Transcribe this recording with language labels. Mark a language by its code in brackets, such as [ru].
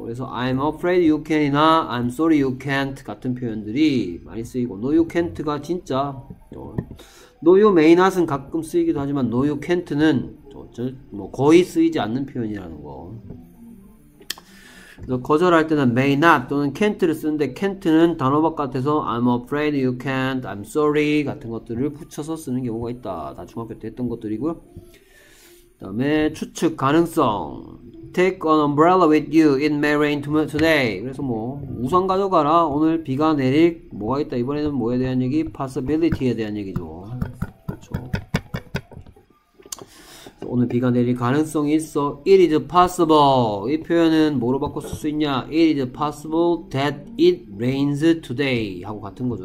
[ko] 그래서 [en] I'm afraid you can [ko] 이나 [en] I'm sorry you can't [ko] 같은 표현들이 많이 쓰이고 [en] No, you can't [ko] 가 진짜 [en] No, you may not [ko] 은 가끔 쓰이기도 하지만 No, you can't는 뭐 거의 쓰이지 않는 표현이라는 거. 그래서 거절할 때는 may not 또는 can't를 쓰는데 can't는 단호박 같아서 [en] I'm afraid you can't, I'm sorry [ko] 같은 것들을 붙여서 쓰는 경우가 있다. 다 중학교 때 했던 것들이고요. 그 다음에 추측 가능성. [en] Take an umbrella with you, it may rain today. [ko] 그래서 뭐 우산 가져가라, 오늘 비가 내릴 뭐가 있다. 이번에는 뭐에 대한 얘기? possibility에 대한 얘기죠. 오늘 비가 내릴 가능성이 있어. [en] It is possible. [ko] 이 표현은 뭐로 바꿔 쓸 수 있냐? [en] It is possible that it rains today [ko] 하고 같은 거죠.